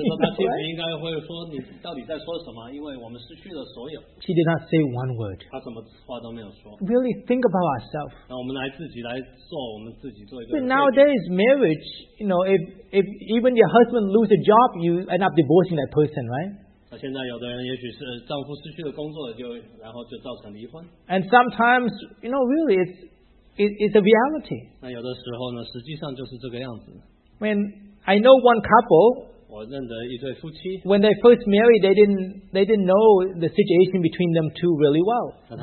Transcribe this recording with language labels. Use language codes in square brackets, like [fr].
[zh] 他妻子应该会说你到底在说什么，因为我们失去了所有。 [en] She did not say one word. [zh] 他什么话都没有说。 [en] Really think about ourselves. [zh] 那我们来自己来做我们自己做一个。 [en] Nowadays marriage, you know, if even your husband loses a job, you end up divorcing that person, right? [zh] 现在有的人也许是丈夫失去了工作，然后就造成离婚。 [en] And sometimes, you know, really, it's a reality. [zh] 那有的时候呢，实际上就是这个样子。 [en] When I know one couple, [zh] 我认得一对夫妻。 [en] When they first married, they didn't know the situation between them two really well.